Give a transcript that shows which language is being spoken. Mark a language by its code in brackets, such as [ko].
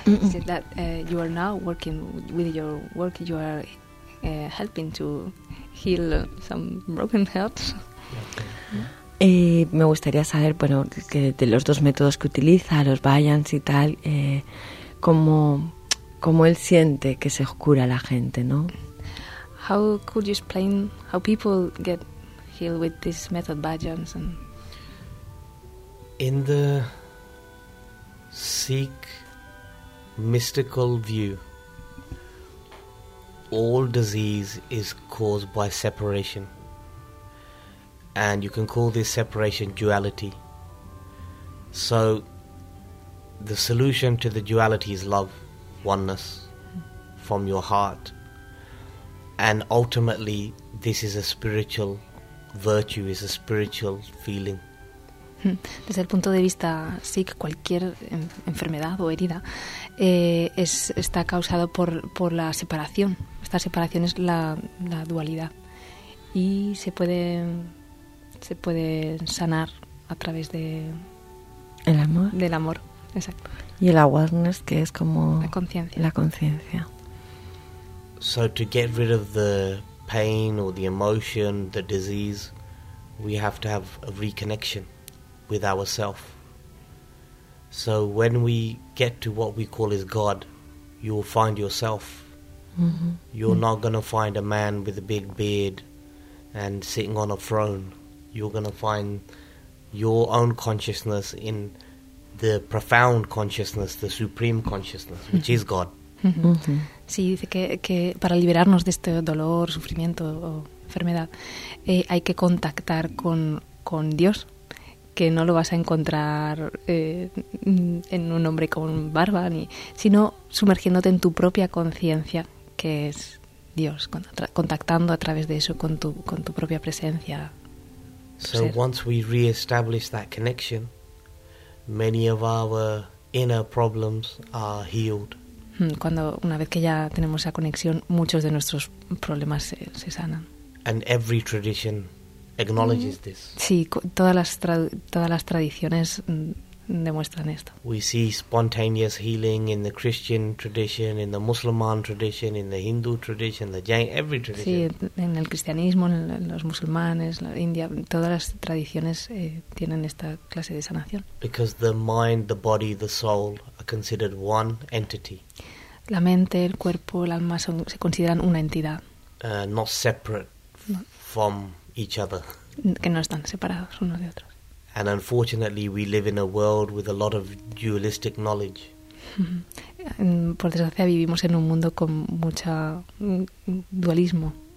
[en] Said that you are now working with your work, you are helping to heal some broken hearts. [es] Y me gustaría saber, bueno, que de los dos métodos que utiliza, los Vayans y tal, cómo él siente que se cura la gente, ¿no? [en] How could you explain how people get healed with this method, Vayans? In the Sikh mystical view, all disease is caused by separation. And you can call this separation duality. So the solution to the duality is love, oneness from your heart. And ultimately, this is a spiritual virtue, is a spiritual feeling. [es] Desde el punto de vista Sikh, cualquier enfermedad o herida está causado por la separación. Esta separación es la dualidad y se puede sanar a través de el amor. Del amor, exacto. Y el awareness, que es como la conciencia. [en] So to get rid of the pain or the emotion, the disease, we have to have a reconnection with ourself. So when we get to what we call is God, you'll find yourself. Mm-hmm. You're not going to find a man with a big beard and sitting on a throne. You're going to find your own consciousness in the profound consciousness, the supreme consciousness, which is God. Mm-hmm. [es] Sí, dice que para liberarnos de este dolor, sufrimiento o enfermedad, hay que contactar con Dios, que no lo vas a encontrar en un hombre con barba, sino sumergiéndote en tu propia conciencia, que es Dios, contactando a través de eso con tu propia presencia. [en] So once we re-establish that connection, many of our inner problems are healed. [es] Cuando una vez que ya tenemos esa conexión, muchos de nuestros problemas se sanan. [en] And every tradition acknowledges this. [es] Sí, todas las tradiciones demuestran esto. [en] We see spontaneous healing in the Christian tradition, in the Musliman tradition, in the Hindu tradition, the Jain, every tradition. [es] Sí, en el cristianismo, en los musulmanes, la India, todas las tradiciones tienen esta clase de sanación. [en] Because the mind, the body, the soul are considered one entity. [es] La mente, el cuerpo, el alma son, se consideran una entidad. [en] Not separate from each other. [es] Que no están separados unos de otros. [en] And unfortunately, we live in a world with a lot of dualistic knowledge. [es] Por desgracia, vivimos en un mundo con mucha dualismo.